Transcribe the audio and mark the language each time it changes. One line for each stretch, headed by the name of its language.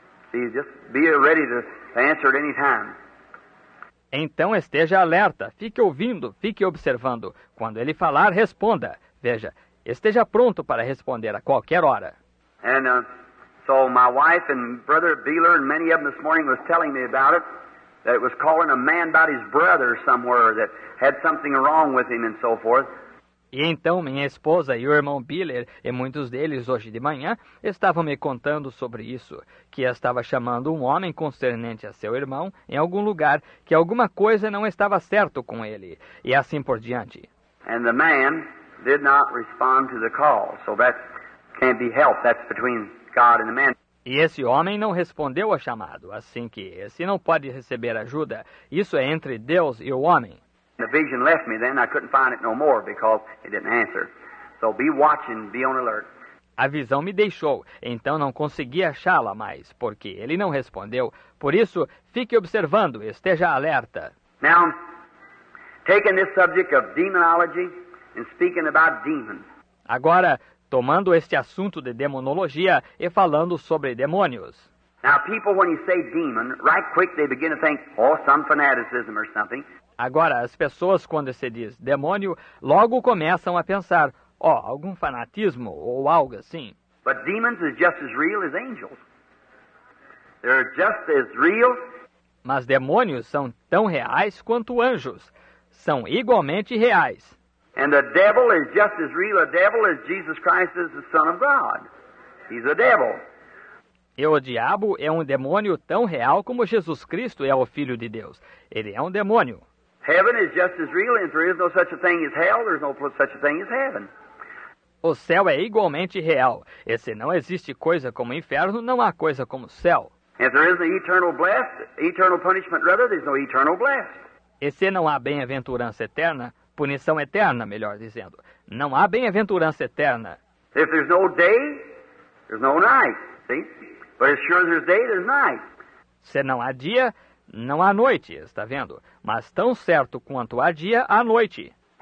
English: See, just be ready to answer at any time.
Portuguese: Então, esteja alerta. Fique ouvindo, fique observando. Quando ele falar, responda. Veja, esteja pronto para responder a qualquer hora.
English: And, so my wife and brother Beeler and many of them this morning was telling me about it, that it was calling a man about his brother somewhere that had something wrong with him and so forth.
Portuguese: E então minha esposa e o irmão Beeler e muitos deles hoje de manhã estavam me contando sobre isso, que estava chamando um homem concernente a seu irmão em algum lugar, que alguma coisa não estava certo com ele, e assim por diante.
English: And the man did not respond to the call, so that can't be helped, that's between... God and the man.
Portuguese: E esse homem não respondeu ao chamado, assim que esse não pode receber ajuda. Isso é entre Deus e o homem.
English: The vision left me then, I couldn't find it no more because it didn't answer. So be watching, be on alert.
Portuguese: A visão me deixou, então não consegui achá-la mais, porque ele não respondeu. Por isso, fique observando, esteja alerta.
English: Now, taking this subject of demonology and speaking about demons.
Portuguese: Agora, tomando este assunto de demonologia e falando sobre demônios.
English: Now people, when you say demon, right quick they begin to think, oh, some fanaticism or something.
Portuguese: Agora, as pessoas, quando se diz demônio, logo começam a pensar, ó, oh, algum fanatismo ou algo assim.
English: But demons is just as real as angels. They're just as real.
Portuguese: Mas demônios são tão reais quanto anjos. São igualmente reais.
English: And the devil is just as real a devil as Jesus Christ is the Son of God. He's a devil.
Portuguese: E o diabo é um demônio tão real como Jesus Cristo é o Filho de Deus. Ele é um demônio.
English: Heaven is just as real, and there is no such a thing as hell, there's no such a thing as heaven.
Portuguese: O céu é igualmente real. E se não existe coisa como inferno, não há coisa como céu.
English: And there is an eternal blessed, eternal punishment rather, there's no eternal blessed.
Portuguese: E se não há bem-aventurança eterna, punição eterna, melhor dizendo. Não há bem-aventurança eterna.
English: If there's no day, there's no night, see? But as sure as there's day, there's night.
Portuguese: Se não há dia, não há noite, está vendo? Mas tão certo quanto há dia, há noite.